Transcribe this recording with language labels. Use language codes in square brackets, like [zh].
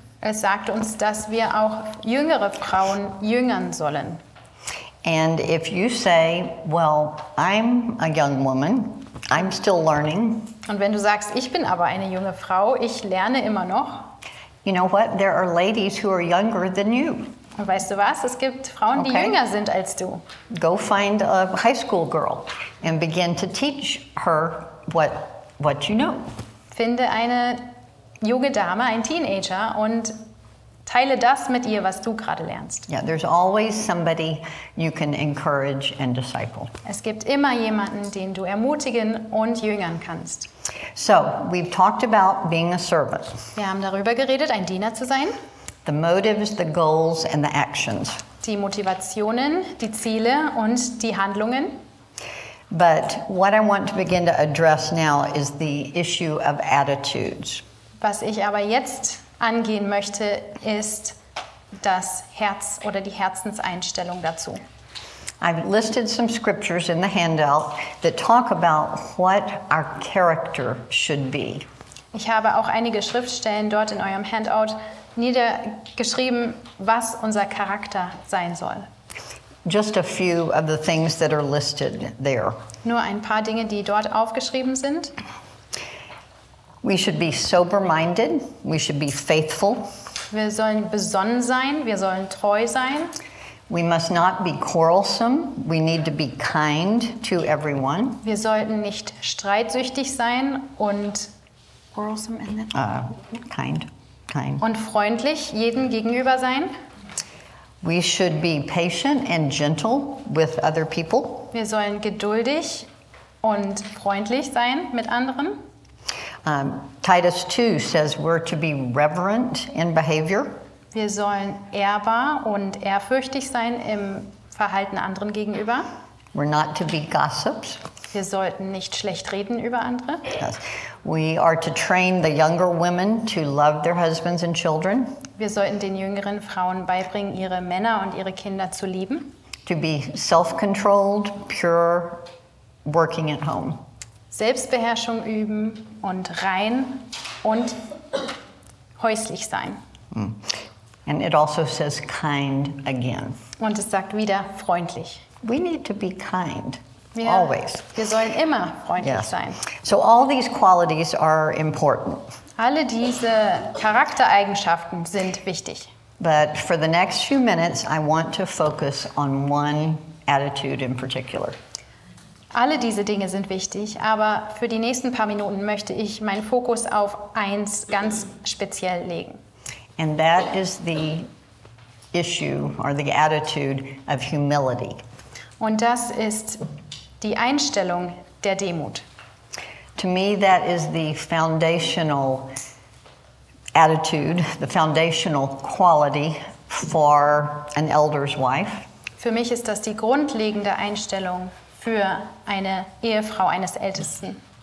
[de] Es sagt uns, dass wir auch jüngere Frauen jüngern sollen. [en] And if you say, well, I'm a young woman, I'm still learning. [de] Und wenn du sagst, ich bin aber eine junge Frau, ich lerne immer noch. [en] You know what? There are ladies who are younger than you. [de] Und weißt du was? Es gibt Frauen, die jünger sind als du. [en] Go find a high school girl and begin to teach her what you know. [de] Finde eine junge Dame, ein Teenager, und teile das mit ihr, was du gerade lernst. [en] Yeah, there's always somebody you can encourage and disciple. [de] Es gibt immer jemanden, den du ermutigen und jüngern kannst. [en] So, we've talked about being a servant. [de] Wir haben darüber geredet, ein Diener zu sein. [en] The motives, the goals and the actions. [de] Die Motivationen, die Ziele und die Handlungen. [en] But what I want to begin to address now is the issue of attitudes. [de] Was ich aber jetzt angehen möchte, ist das Herz oder die Herzenseinstellung dazu. [en] I've listed some scriptures in the handout that talk about what our character should be. [de] Ich habe auch einige Schriftstellen dort in eurem Handout niedergeschrieben, was unser Charakter sein soll. [en] Just a few of the things that are listed there. [de] Nur ein paar Dinge, die dort aufgeschrieben sind. [en] We should be sober-minded, we should be faithful. [de] Wir sollen besonnen sein, wir sollen treu sein. [en] We must not be quarrelsome, we need to be kind to everyone. [de] Wir sollten nicht streitsüchtig sein und quarrelsome in [en] it. Kind. [de] Und freundlich jedem gegenüber sein. [en] We should be patient and gentle with other people. [de] Wir sollen geduldig und freundlich sein mit anderen. [en] Titus 2 says we're to be reverent in behavior. [de] Wir sollen ehrbar und ehrfürchtig sein im Verhalten anderen gegenüber. [en] We're not to be gossips. [de] Wir sollten nicht schlecht reden über andere. [en] Yes. We are to train the younger women to love their husbands and children. [de] Wir sollten den jüngeren Frauen beibringen, ihre Männer und ihre Kinder zu lieben. [en] To be self-controlled, pure, working at home. [de] Selbstbeherrschung üben und rein und häuslich sein. [en] And it also says kind again. [de] Und es sagt wieder freundlich. [en] We need to be kind. Always. [de] Wir sollen immer freundlich sein. [en] So all these qualities are important. [de] Alle diese Charaktereigenschaften sind wichtig. [en] But for the next few minutes, I want to focus on one attitude in particular. [de] Alle diese Dinge sind wichtig, aber für die nächsten paar Minuten möchte ich meinen Fokus auf eins ganz speziell legen. [en] And that is the issue or the attitude of humility. [de] Und das ist die Einstellung der Demut. [en] To me, that is the foundational attitude, the foundational quality for an elder's wife. [de] Für mich ist das die grundlegende Einstellung für eine Ehefrau eines Ältesten.